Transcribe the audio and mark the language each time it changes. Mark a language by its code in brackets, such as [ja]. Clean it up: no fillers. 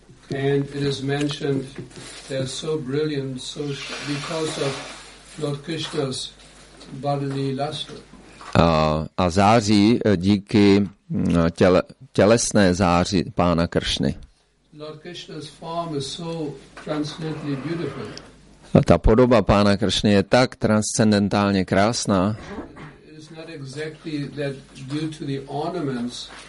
[en] And it is mentioned they're so brilliant, so because of Lord Krishna's bodily luster. [cs] A září díky tělesné září pána Kršny. [en] Lord Krishna's form is so transcendently beautiful. [cs] A ta podoba pána Kršny je tak transcendentálně krásná. [en] It is not exactly that due to the ornaments.